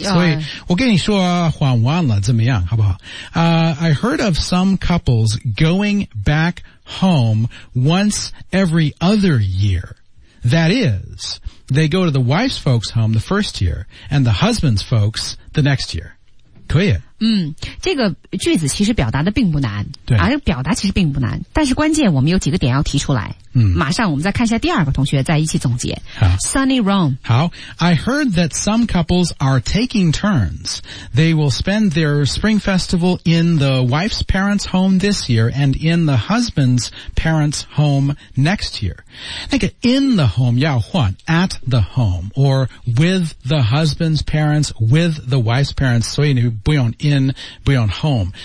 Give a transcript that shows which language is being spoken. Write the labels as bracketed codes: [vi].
[zh] 所以我跟你说换完了怎么样好不好 [en] I heard of some couples going back home once every other year. That is, they go to the wife's folks home the first year, and the husband's folks the next year. [zh] 可以。这个句子其实表达的并不难。对。啊、表达其实并不难。但是关键我们有几个点要提出来。嗯。马上我们再看一下第二个同学再一起总结。好。 [en] Sunny Rome。 [zh] 好。 [en] I heard that some couples are taking turns. They will spend their spring festival in the wife's parents' home this year and in the husband's parents' home next year. 那个 in the home [zh] 要换 [en] at the home, or with the husband's parents, with the wife's parents, [zh] 所以你不用 [en] in, 不用 home.